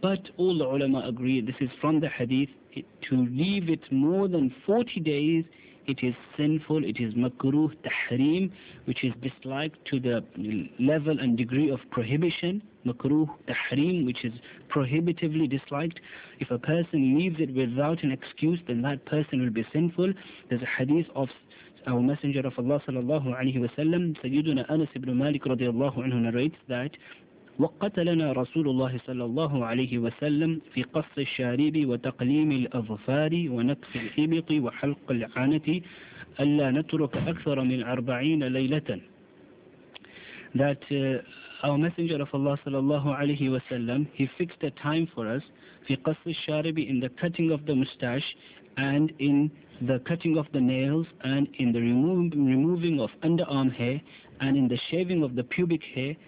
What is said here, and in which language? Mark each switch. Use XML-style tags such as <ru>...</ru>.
<en>But all the ulama agree, this is from the hadith, to leave it more than 40 days, it is sinful, it is makruh, tahreem, which is disliked to the level and degree of prohibition. Makruh, tahreem, which is prohibitively disliked. If a person leaves it without an excuse, then that person will be sinful. There's a hadith of our Messenger of Allah sallallahu alayhi wa sallam, Sayyiduna Anas ibn Malik radiallahu anhu, narrates that</en> <ar>وَقَتَلَنَا رَسُولُ اللَّهِ صَلَى اللَّهُ عَلَيْهِ وَسَلَّمْ فِي قَصِّ الشَّارِبِ وَتَقْلِيمِ الْأَظْفَارِ وَنَكْفِ الْإِبِقِ وَحَلْقِ الْعَانَةِ أَلَّا نَتْرُكَ أَكْثَرَ مِنْ أَرْبَعِينَ لَيْلَةً.</ar> <en>That our Messenger of Allah صلى الله عليه وسلم, he fixed a time for us,</en> <ar>فِي قَصِّ الشَّارِبِ,</ar> <en>in the cutting of the mustache, and in the cutting of the nails, and in the removing of underarm hair, and in the shaving of the pubic hair.</en>